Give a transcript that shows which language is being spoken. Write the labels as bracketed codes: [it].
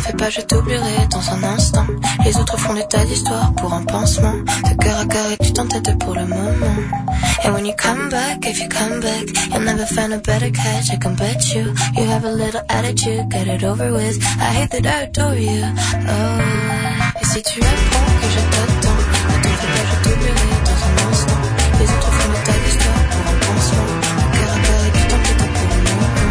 [fr] Je t'oublierai dans un instant. Les autres font des tas d'histoires pour un pansement, de cœur à cœur et tu t'entêtes pour le moment. [en] And when you come back, if you come back, you'll never find a better catch, I can bet you. You have a little attitude, get it over with. I hate that I adore you, oh. [fr] Et si tu apprends que je t'attends, ne t'en fais pas, je t'oublierai dans un instant. Les autres font des tas d'histoires pour un pansement, de cœur à cœur et tu t'entêtes pour le moment.